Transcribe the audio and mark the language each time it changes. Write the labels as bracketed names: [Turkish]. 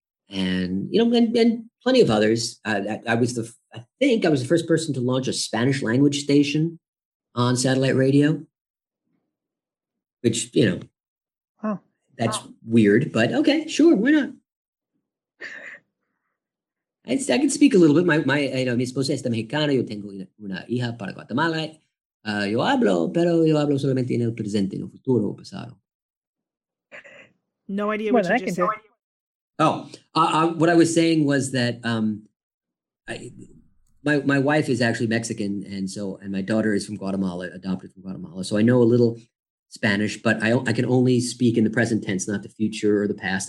[English] And, you know, and plenty of others. I was the first person to launch a Spanish language station on satellite radio. Which, you know, weird, but okay, sure, why not? I can speak a little bit. My you know, [Spanish] mi esposa es mexicana, yo tengo una hija para Guatemala. Yo hablo, pero yo hablo solamente en el presente, en el futuro, pasado. [English] No idea what you just said. Oh, what I was saying was that my wife is actually Mexican, and my daughter is from Guatemala, adopted from Guatemala. So I know a little Spanish, but I can only speak in the present tense, not the future or the past.